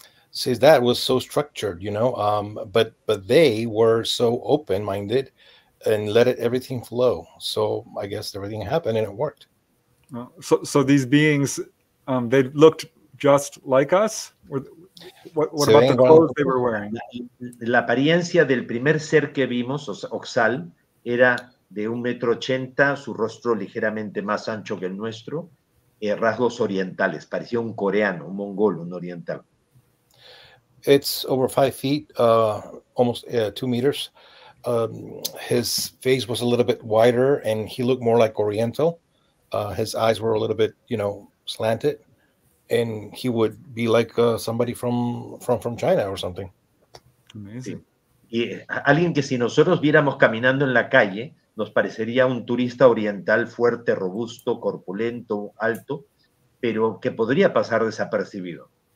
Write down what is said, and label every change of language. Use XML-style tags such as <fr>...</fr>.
<en>So his dad was so structured, you know, but they were so open-minded and let it everything flow. So I guess everything happened and it worked. So these beings, they looked just like us? What about the clothes they were wearing?</en> <es>La apariencia del primer ser que vimos, Oxal, era de 1.80 m, su rostro ligeramente más ancho que el nuestro, rasgos orientales, parecía un coreano, un mongol, un oriental.</es> <en>It's over 5 feet, almost 2 meters. His face was a little bit wider and he looked more like oriental. His eyes were a little bit, you know, slanted, and he would be like somebody from China or something. Amazing.</en> <es>Sí. Y alguien que si nosotros viéramos caminando en la calle nos parecería un turista oriental fuerte, robusto, corpulento, alto, pero que podría pasar desapercibido.</es>